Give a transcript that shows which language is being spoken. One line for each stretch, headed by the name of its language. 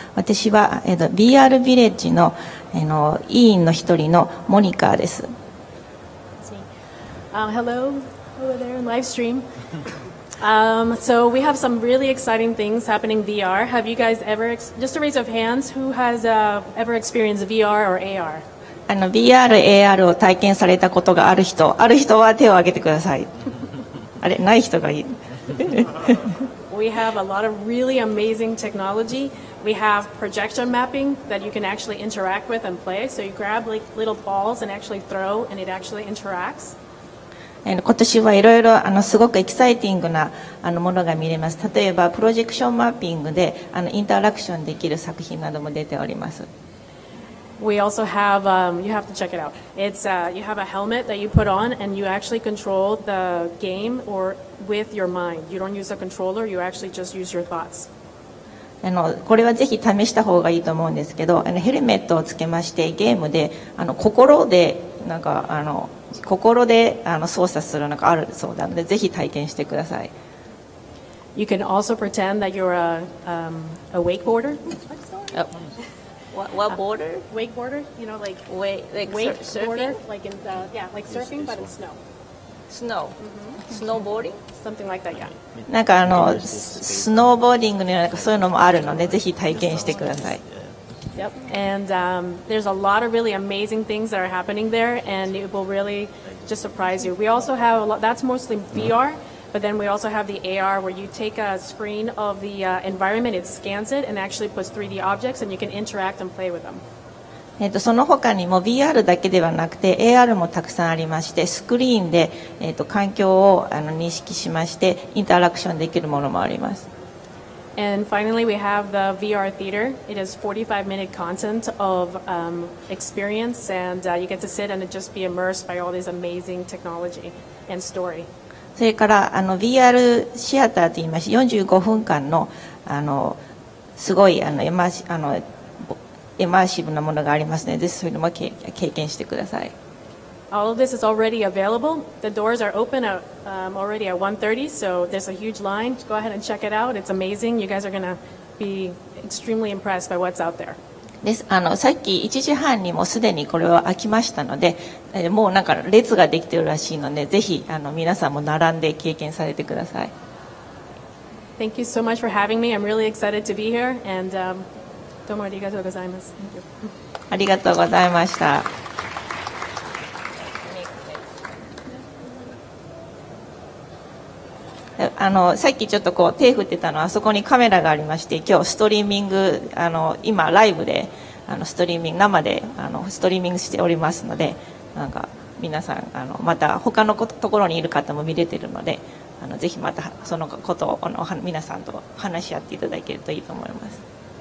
Japanese: 私は VR Village の委員の一人のモニカです。
English: Hello over there in live stream. So we have some really exciting things happening VR. Have you guys ever, just a raise of hands, who has ever experienced VR or AR?
Japanese: VR, AR を体験されたことがある人、ある人は手を挙げてください。あれ、ない人がいい。
English: We have a lot of really amazing technology. We have projection mapping that you can actually interact with and play. So you grab like little balls and actually throw and it actually interacts.
Japanese: 今年はいろいろすごくエキサイティングなものが見れます。例えばプロジェクションマッピングでインタラクションできる作品なども出ております。
English: We also have, you have to check it out. It's, you have a helmet that you put on and you actually control the game or with your mind. You don't use a controller, you actually just use your thoughts.
Japanese: これはぜひ試した方がいいと思うんですけど、ヘルメットをつけましてゲームで心でなんか心で操作するのがあるそうなのでぜひ体験してください。
English: You can also pretend that you're a wakeboarder. What boarder? Wakeboarder, you know, like surfing? Like in the, yeah, like surfing, but in snow. Snow?、Mm-hmm. Snowboarding? Something like that, yeah.
Japanese: なんかスノーボーディングのようなそういうのもあるのでぜひ体験してください。
English: Yep, and there's a lot of really amazing things that are happening there, and it will really just surprise you. We also have a lot, that's mostly VR, but then we also have the AR where you take a screen of the environment, it scans it, and actually puts 3D objects, and you can interact and play with them.
Japanese: その他にも VR だけではなくて AR もたくさんありまして、スクリーンで環境を認識しましてインタラクションできるものもあります。
English: And finally, we have the VR theater. It is 45-minute content of experience, and you get to sit and just be immersed by all this amazing technology and story.
Japanese: それから VR シアターといいまして、45分間のすごいエマーシブなものがありますので、ぜひそれも経験してください。
English: All of this is already available. The doors are open at, already at 1:30, so there's a huge line. Go ahead and check it out. It's amazing. You guys are going to be extremely impressed by what's out there.
Japanese: です。さっき1時半にもすでにこれは開きましたので、もうなんか列ができているらしいので、ぜひ皆さんも並んで経験されてください。
English: Thank you so much for having me. I'm really excited to be here.
Japanese: And, どうもありがとうございます。
English: Thank you.
Japanese: ありがとうございました。さっきちょっとこう手振ってたのはあそこにカメラがありまして、今日ストリーミング今ライブでストリーミング生でストリーミングしておりますので、なんか皆さんまた他のところにいる方も見れてるので、ぜひまたそのことを皆さんと話し合っていただけるといいと思います。